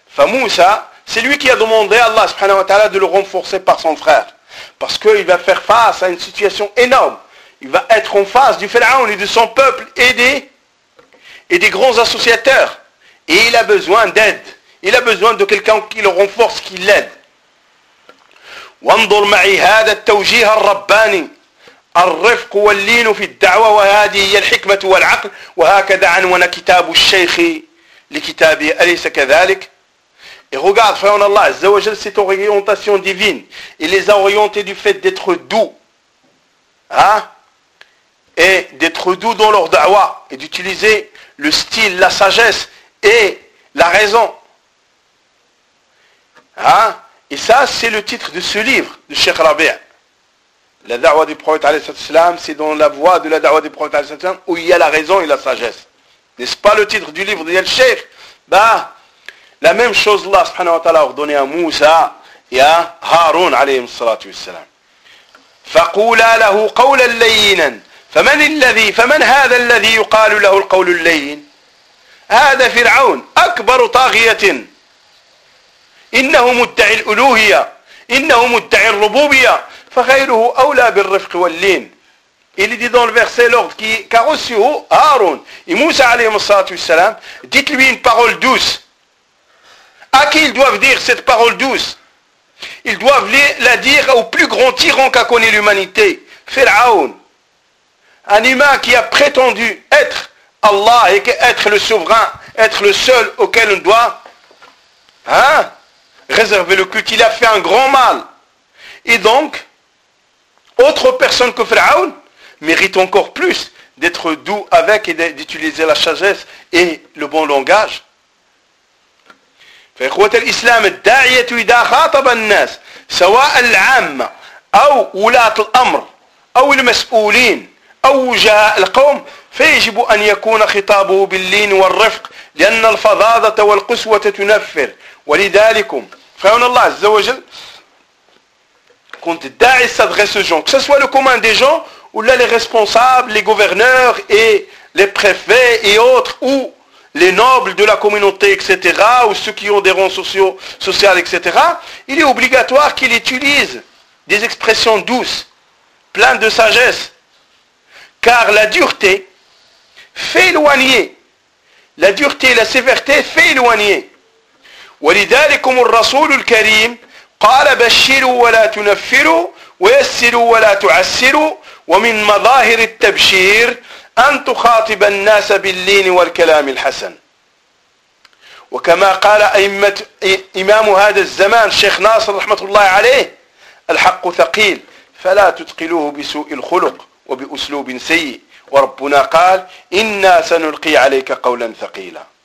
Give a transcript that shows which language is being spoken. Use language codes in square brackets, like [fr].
[fr] فَمُوسَى, c'est lui qui a demandé à Allah subhanahu wa ta'ala de le renforcer par son frère. Parce qu'il va faire face à une situation énorme. Il va être en face du Pharaon et de son peuple et des grands associateurs. Et il a besoin d'aide. Il a besoin de quelqu'un qui le renforce, qui l'aide. [ar] وانظر معي هذا التوجيه الرباني الرفق واللين في الدعوة وهذه هي الحكمة والعقل وهكذا عنوان كتاب الشيخ لكتابه أليس كذلك. [fr] Et regarde, frère en Allah, Azzawajal, cette orientation divine, il les a orientés du fait d'être doux, hein, et d'être doux dans leur da'wa, et d'utiliser le style, la sagesse et la raison, hein. Et ça, c'est le titre de ce livre de Cheikh Rabi'a. La da'wa du prophète, alayhi salatu wassalam, c'est dans la voie de la da'wa du prophète, alayhi salatu wassalam, où il y a la raison et la sagesse. N'est-ce pas le titre du livre de Yel Cheikh? Bah, la même chose, Allah subhanahu wa ta'ala a ordonné à Moussa et à Haroun, alayhi salatu wassalam. [ar] فَقُولَا لَهُ قَوْلَ اللَّيِّنًا فَمَنِ الَّذِي فَمَنْ هَذَا الَّذِي يُقَالُ لَهُ الْقَوْلُ اللَّيِّنَ هَذَا فِرْعَوْن أَكْبَرُ طَاغِيَةٍ إنه مدعي الألوهية إنه مدعي الربوبية فغيره أولى بالرفق واللين. [fr] Il dit dans le verset l'ordre qui a reçu Harun et Moussa alayhi salatu wassalam, dites-lui une parole douce. À qui ils doivent dire cette parole douce? Ils doivent la dire au plus grand tyran qu'a connu l'humanité, Pharaon. Un humain qui a prétendu être Allah et être le souverain, être le seul auquel on doit, hein, réserver le culte, il a fait un grand mal. Et donc, autre personne que Pharaon mérite encore plus d'être doux avec et d'utiliser la sagesse et le bon langage. [ar] فإخوة الإسلام الداعية إذا خاطب الناس سواء العامة أو ولاة الأمر أو المسؤولين أو وجهاء القوم فيجب أن يكون خطابه باللين والرفق لأن الفظاظة والقسوة تنفر ولذلكم. [fr] Frère en Allah, Azzawajal, quand Da'i s'adresse aux gens, que ce soit le commun des gens, ou là les responsables, les gouverneurs, et les préfets et autres, ou les nobles de la communauté, etc., ou ceux qui ont des rangs sociaux, etc., il est obligatoire qu'il utilise des expressions douces, pleines de sagesse. Car la dureté fait éloigner. La dureté et la sévérité fait éloigner. [ar] ولذلكم الرسول الكريم قال بشروا ولا تنفروا ويسروا ولا تعسروا ومن مظاهر التبشير أن تخاطب الناس باللين والكلام الحسن وكما قال إمام هذا الزمان الشيخ ناصر رحمة الله عليه الحق ثقيل فلا تتقلوه بسوء الخلق وبأسلوب سيء وربنا قال إنا سنلقي عليك قولا ثقيلا.